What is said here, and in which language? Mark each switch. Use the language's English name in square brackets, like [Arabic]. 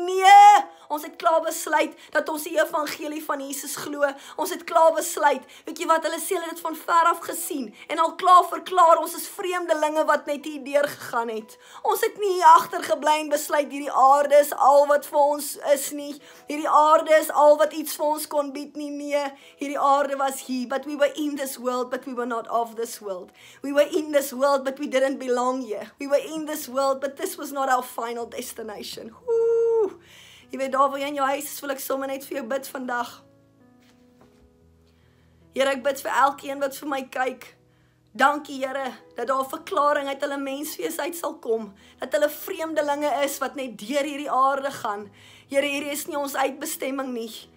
[Afrikaans] Nee, ons het klaar besluit dat ons die evangelie van Jesus glo. Ons het klaar besluit, weet jy wat, hulle sê hulle het van ver af gesien en al klaar verklaar ons is vreemdelinge wat net hier deurgegaan het. Ons het nie hier agter gebly en besluit hierdie aarde is al wat vir ons is nie. Hierdie aarde is al wat iets vir ons kon bied nie. Nee, hierdie aarde was hier, [English] but we were in this world, but we were not of this world. We were in this world, but we didn't belong here. We were in this world, but this was not our final destination. [Afrikaans] Jy weet, daar wil jy in jou huis, wil ek sommer net vir jou bid vandag. Here, ek bid vir elkeen wat vir my kyk. Dankie, Here, dat daar verklaring uit hulle menswees uit sal kom. Dat hulle vreemdelinge is wat net deur hierdie aarde gaan. Here, hierdie is nie ons uitbestemming nie.